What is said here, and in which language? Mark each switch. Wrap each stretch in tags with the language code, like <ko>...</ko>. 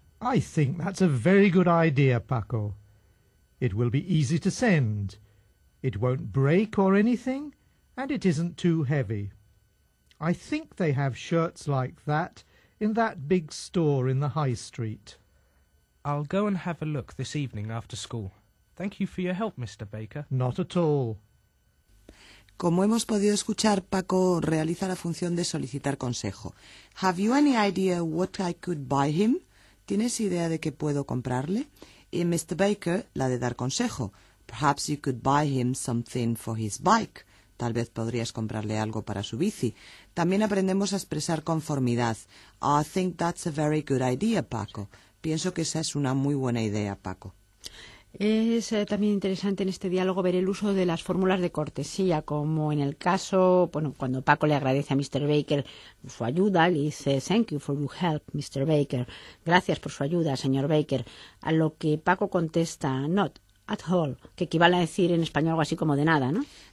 <en>I think that's a very good idea, Paco. It will be easy to send. It won't break or anything, and it isn't too heavy. I think they have shirts like that in that big store in the High Street. I'll go and have a look this evening after school. Thank you for your help, Mr. Baker. Not at all.</en> <es>Como hemos podido escuchar, Paco realiza la función de solicitar consejo.</es> <en>Have you any idea what I could buy him?</en> <es>¿Tienes idea de qué puedo comprarle? Y</es> <en>Mr. Baker,</en> <es>la de dar consejo.</es> <en>Perhaps you could buy him something for his bike.</en> <es>Tal vez podrías comprarle algo para su bici. También aprendemos a expresar conformidad.</es> <en>I think that's a very good idea, Paco.</en> <es>Pienso que esa es una muy buena idea, Paco. Es también interesante en este diálogo ver el uso de las fórmulas de cortesía, como en el caso, bueno, cuando Paco le agradece a Mr.</es> <en>Baker</en> <es>su ayuda, le dice,</es> <en>thank you for your help, Mr.</en> <es>Baker, gracias por su ayuda, señor Baker, a lo que Paco contesta,</es> <en>not at all,</en> <es>que equivale a decir en español algo así como de nada, ¿no?</es>